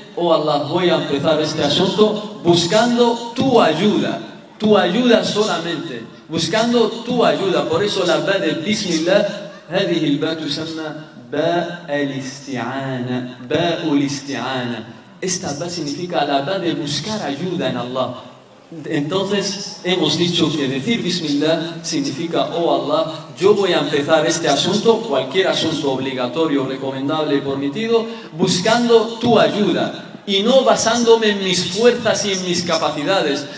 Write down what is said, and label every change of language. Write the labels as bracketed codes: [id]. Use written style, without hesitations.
[es] Oh Allah, voy a empezar este asunto buscando tu ayuda solamente, buscando tu ayuda. Por eso la ba del Bismillah, [ar] هذه الباء تسمى باء الاستعانة, [es] باء الاستعانة. Esta ba significa la ba de buscar ayuda en Allah. Entonces, hemos dicho que decir Bismillah significa, oh Allah, yo voy a empezar este asunto, cualquier asunto obligatorio, recomendable, permitido, buscando tu ayuda y no basándome en mis fuerzas y en mis capacidades.